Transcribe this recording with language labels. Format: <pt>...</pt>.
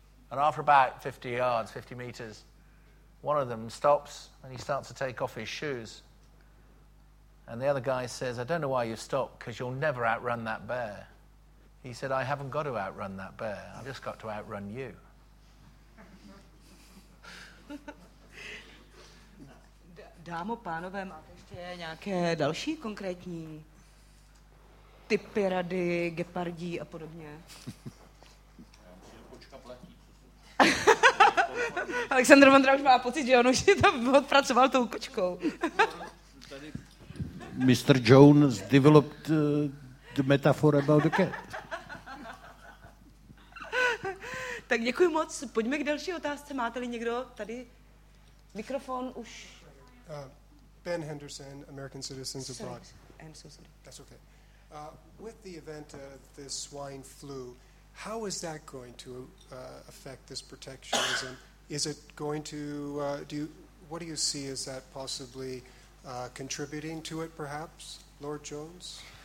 <en>And after about 50 yards, 50 meters, one of them stops and he starts to take off his shoes. And the other guy says, I don't know why you've stopped, because you'll never outrun that bear. He said, I haven't got to outrun that bear. I've just got to outrun you.</en> <cs>Dámo, pánové, máte ještě nějaké další konkrétní typy, rady, gepardí a podobně? Alexandr Vondra už má pocit, že on už si tam odpracoval tou kočkou.</cs> <en>Mr. Jones developed the metaphor about the cat.</en> <cs>Tak děkuji moc. Pojďme k další otázce. Máte-li někdo tady mikrofon už?</cs> <en>Ben Henderson, American Citizens sorry, Abroad. I'm so sorry. That's okay. With the event of the swine flu, how is that going to affect this protectionism? Is it going to, what do you see as that possibly contributing to it, perhaps, Lord Jones?</en>